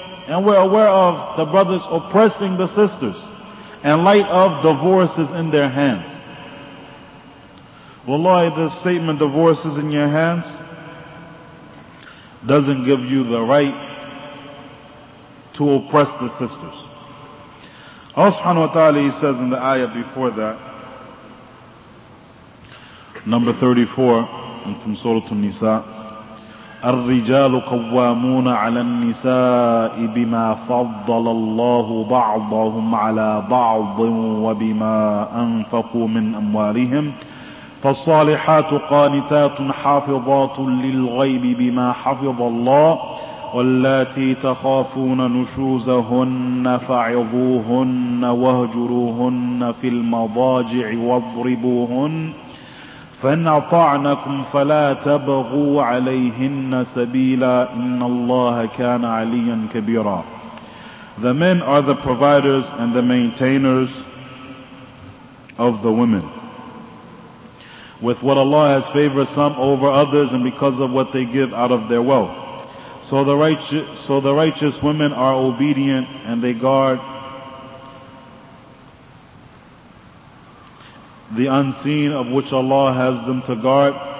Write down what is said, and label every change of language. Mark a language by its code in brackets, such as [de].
[en] And we're aware of the brothers oppressing the sisters. In light of divorce is in their hands. Wallahi, the statement divorce is in your hands doesn't give you the right to oppress the sisters. Allah subhanahu wa ta'ala, He says in the ayah before that, number 34 from Surah An-Nisa, [ar] الرِّجَالُ قَوَّامُونَ عَلَى النِّسَاءِ بِمَا فَضَّلَ اللَّهُ بَعْضَهُمْ عَلَى بَعْضٍ وَبِمَا أَنْفَقُوا مِنْ أَمْوَالِهِمْ فَالصَّالِحَاتُ قَانِتَاتٌ حَافِظَاتٌ لِلْغَيْبِ بِمَا حَفِظَ اللَّهُ واللاتي تخافون نشوزهن فعظوهن واهجروهن في المضاجع واضربوهن فإن أطعنكم فلا تبغوا عليهن سبيلا إن الله كان عليا كبيرا. [en] The men are the providers and the maintainers of the women. With what Allah has favored some over others and because of what they give out of their wealth. So the righteous women are obedient and they guard the unseen of which Allah has them to guard.